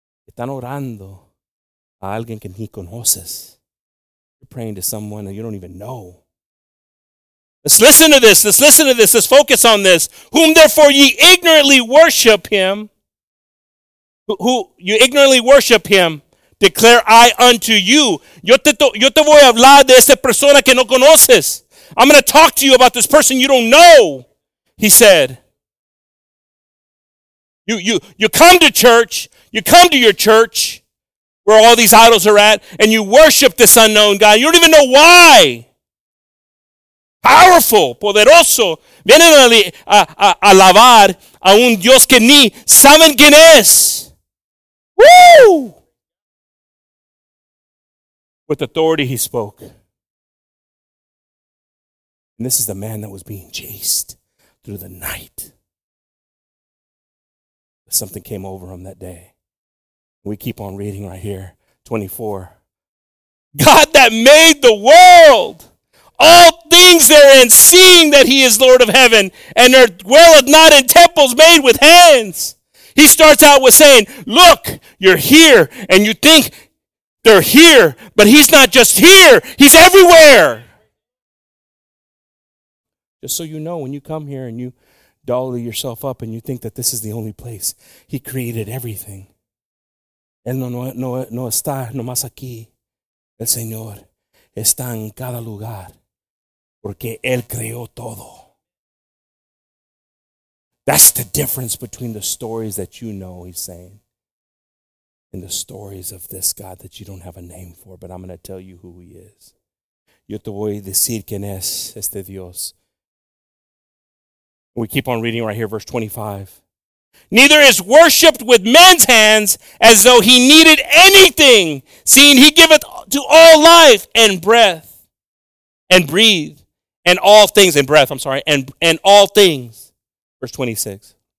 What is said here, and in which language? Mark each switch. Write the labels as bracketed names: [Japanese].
[Spanish] Están orando a alguien que ni conoces. [English] You're praying to someone that you don't even know. Let's listen to this. Let's focus on this. Whom therefore ye ignorantly worship him. Who you ignorantly worship him, declare I unto you. [Spanish] Yo te voy a hablar de esa persona que no conoces. [English] I'm going to talk to you about this person you don't know, he said. You come to church, you come to your church where all these idols are at, and you worship this unknown God. You don't even know why. Powerful, [Spanish] poderoso. Vienen a alabar a un Dios que ni saben quién es. Woo! [English] With authority he spoke. And this is the man that was being chased through the night. Something came over him that day. We keep on reading right here, 24. God that made the world, all things therein, seeing that he is Lord of heaven and earth, dwelleth not in temples made with hands. He starts out with saying, look, you're here, and you think they're here, but he's not just here. He's everywhere. Just so you know, when you come here and you dolly yourself up and you think that this is the only place, he created everything. [Spanish] Él no está nomás aquí. El Señor está en cada lugar porque Él creó todo. [English] That's the difference between the stories that you know, he's saying, and the stories of this God that you don't have a name for, but I'm going to tell you who he is. [Spanish] Yo te voy a decir quién es este Dios. [English] We keep on reading right here, verse 25. Neither is worshipped with men's hands as though he needed anything, seeing he giveth to all life and breath and breathe and all things, and all things. Verse 26.